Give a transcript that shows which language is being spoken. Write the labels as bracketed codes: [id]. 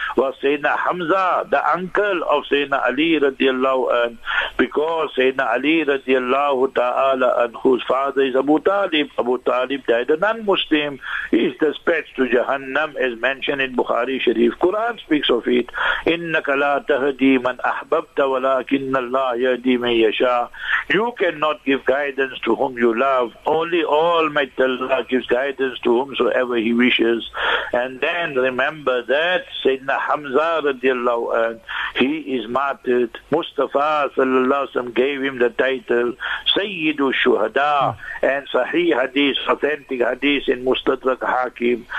[en] Was Sayyidina Hamza the uncle of Sayyidina Ali radiallahu anhu? Because Sayyidina Ali radiallahu ta'ala anhu's father is Abu Talib. Abu Talib died a non-Muslim. Is dispatched to Jahannam, as mentioned in Bukhari Sharif. Quran speaks of it. [ar] إِنَّكَ لَا تَهْدِي مَنْ أَحْبَبْتَ وَلَكِنَّ اللَّهَ يَهْدِي مَنْ يَشَاءُ, [en] you cannot give guidance to whom you love. Only Almighty Allah gives guidance to whomsoever He wishes. And then remember that Sayyidina Hamza radiallahu anhu, he is martyred. Mustafa sallallahu alayhi wa sallam gave him the title Sayyidu Shuhada. And Sahih Hadith, authentic Hadith in Mustadrak Hakim.